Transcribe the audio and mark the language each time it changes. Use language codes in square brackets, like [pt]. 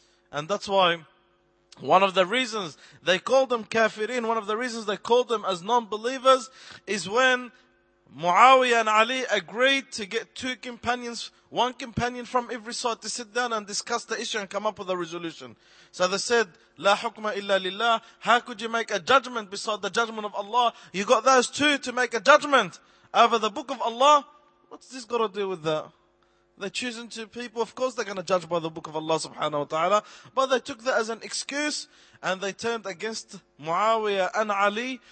[en] And that's why one of the reasons they called them kafirin, one of the reasons they called them as non-believers, is when Muawiyah and Ali agreed to get two companions, one companion from every side, to sit down and discuss the issue and come up with a resolution. So they said, [ar] لا حكم إلا لله. [en] How could you make a judgment beside the judgment of Allah? You got those two to make a judgment over the book of Allah. What's this got to do with that? They're choosing two people. Of course they're going to judge by the book of Allah subhanahu wa ta'ala. But they took that as an excuse and they turned against Muawiyah and Ali.